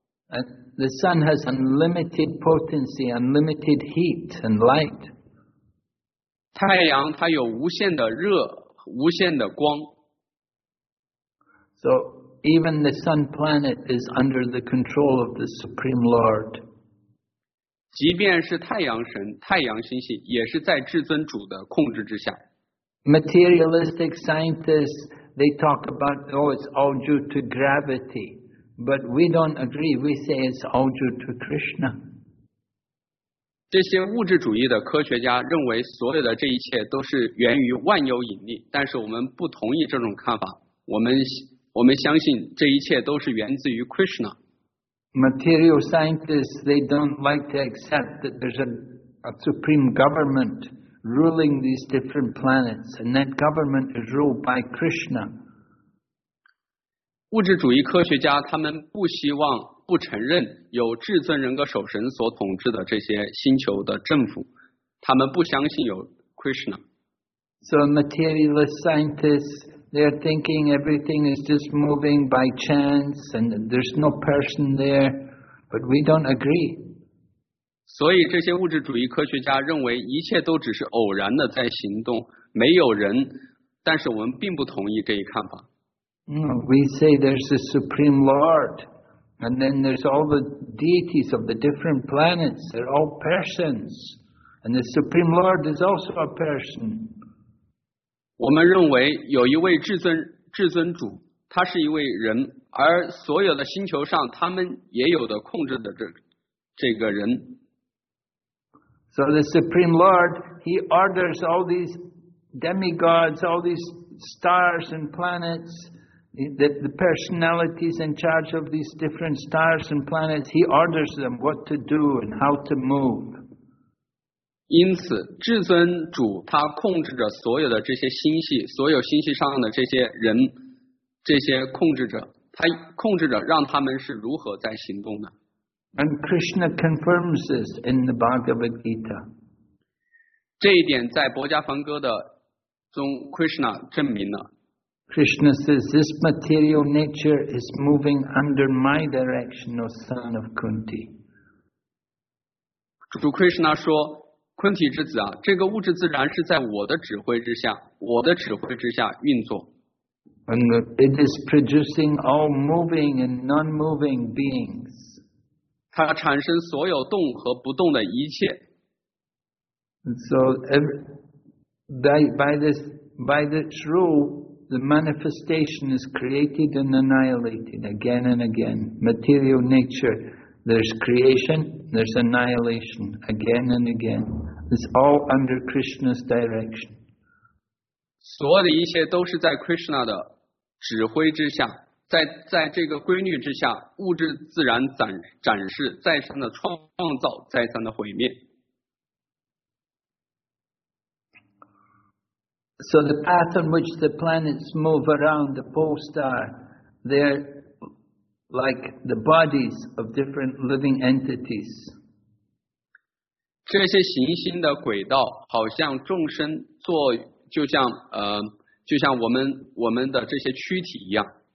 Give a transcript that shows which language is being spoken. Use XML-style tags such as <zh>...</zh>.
<en>The sun has unlimited potency, unlimited heat and light.</en> <zh>太阳它有无限的热，无限的光。</zh> <en>So,Even the sun planet is under the control of the Supreme Lord.</en> <zh>即便是太阳神、太阳星系，也是在至尊主的控制之下。</zh> <en>Materialistic scientists, they talk about, oh, it's all due to gravity. But we don't agree. We say it's all due to Krishna.</en> <zh>这些物质主义的科学家认为所有的这一切都是源于万有引力，但是我们不同意这种看法。我们相信这一切都是源自于 Krishna.</zh> <en>Material scientists, they don't like to accept that there's a supreme government ruling these different planets, and that government is ruled by Krishna.</en> <zh>物质主义科学家他们不希望不承认有至尊人格守神所统治的这些星球的政府，他们不相信有 Krishna.</zh> <en>So materialist scientists,They're thinking everything is just moving by chance and there's no person there, but we don't agree.</en> <zh>所以这些物质主义科学家认为一切都只是偶然的在行动，没有人，但是我们并不同意这一看法。</zh> <en>We say there's a supreme lord, and then there's all the deities of the different planets, they're all persons, and the supreme lord is also a person.</en> <zh>我们认为有一位至尊主，他是一位人，而所有的星球上他们也有的控制的这个人。</zh> <en>So the Supreme Lord, he orders all these demigods, all these stars and planets, the personalities in charge of these different stars and planets, he orders them what to do and how to move.</en> <zh>因此至尊主他控制着所有的这些星系，所有星系上的这些人，这些控制者，他控制着让他们是如何在行动的。</zh> <en>And Krishna confirms this in the Bhagavad Gita.</en> <zh>这一点在薄伽梵歌的中 Krishna 证明了。</zh> <en>Krishna says, this material nature is moving under my direction, O son of Kunti.</en> <zh>主 Krishna 说昆体之子啊，这个物质自然是在我的指挥之下，我的指挥之下运作。</zh> <en>And it is producing all moving and non-moving beings.</en> <zh>它产生所有动和不动的一切。</zh> <en>And so, by this rule, the manifestation is created and annihilated again and again. Material nature, there's creation, there's annihilation again and again. It's all under Krishna's direction.</en> <zh>所有的一切都是在 Krishna 的指挥之下，在这个规律之下，物质自然展示，再三的创造，再三的毁灭。</zh> <en>So the path on which the planets move around the pole star, they're like the bodies of different living entities.</en> <zh>这些行星的轨道好像众生做就像我们的这些躯体一样。</zh>